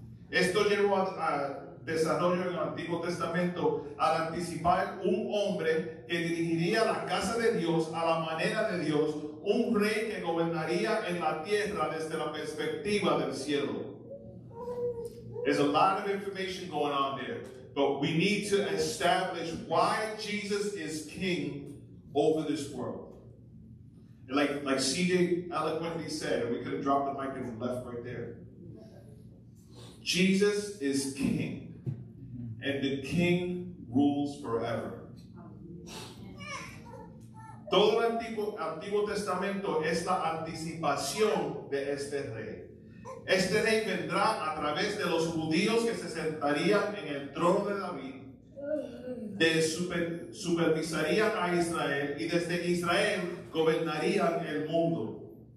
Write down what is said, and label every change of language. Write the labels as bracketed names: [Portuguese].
[Spanish] Esto llevó a desarrollo en el Antiguo Testamento al anticipar un hombre que dirigiría la casa de Dios a la manera de Dios, un rey que gobernaría en la tierra desde la perspectiva del cielo. [English] There's a lot of information going on there, but we need to establish why Jesus is king over this world. Like CJ eloquently said, we could have dropped the mic and left right there. Jesus is king, and the king rules forever. [Spanish] Todo el Antiguo Testamento es la anticipación de este rey. Este rey vendrá a través de los judíos que se sentarían en el trono de David, de supervisarían a Israel, y desde Israel gobernarían el mundo.